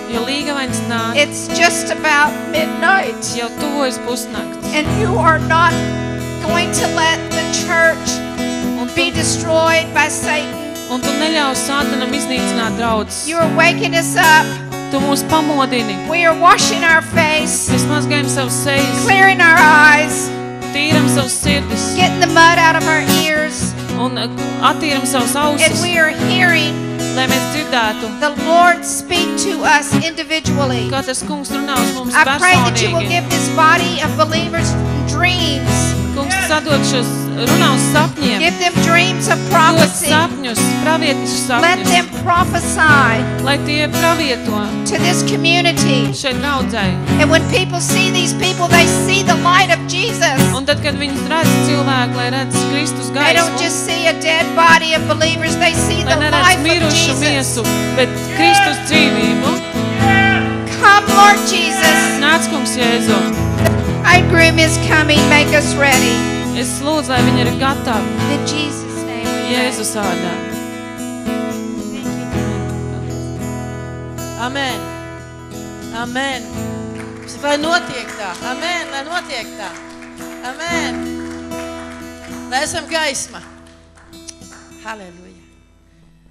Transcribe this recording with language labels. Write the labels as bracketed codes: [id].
[lv] Jo līgavainis nāk. [en] It's just about midnight. [lv] Jo tuvojas pusnakts. [en] And you are not going to let the church be destroyed by Satan. [lv] Un tu neļaus Sātanam iznīcināt draudzes. [en] You are waking us up. [lv] Tu mūs pamodini. [en] We are washing our face. [lv] Mēs mazgājam savas sejas. [en] Clearing our eyes. [lv] Tīram savas sirdis. [en] Getting the mud out of our ears. [lv] Un attīram savus ausis. [en] And we are hearing, [lv] lai mēs dzirdētu. [en] The Lord speak to us individually. [lv] Kā tas Kungs runā uz mums personīgi. [en] I pray that you will give this body of believers dreams. [lv] Kungs sadod šos, runā uz sapņiem. [en] Give them dreams of prophecy. [lv] Dod sapņus, pravietišu sapņus. [en] Let them prophesy. [lv] Lai tie pravieto. [en] To this community. [lv] Šeit naudzai. [en] And when people see these people, they see the light of Jesus. [lv] Un tad, kad viņi redz cilvēku, lai redz Kristus gaismu. [en] They don't just see a dead body of believers, they see the life of Jesus. [lv] Lai neredz mirušu miesu, bet Kristus dzīvību. [en] Come, Lord Jesus. [lv] Nāc, Kungs Jēzu. [en] The bridegroom is coming, make us ready. [lv] Es lūdzu, lai viņi ir gatavi. [en] In Jesus' name. [lv] Jēzus vārdā. Amen. Amen. Lai notiek tā. Amen. Lai notiek tā. Amen. Lai esam gaisma. Halleluja.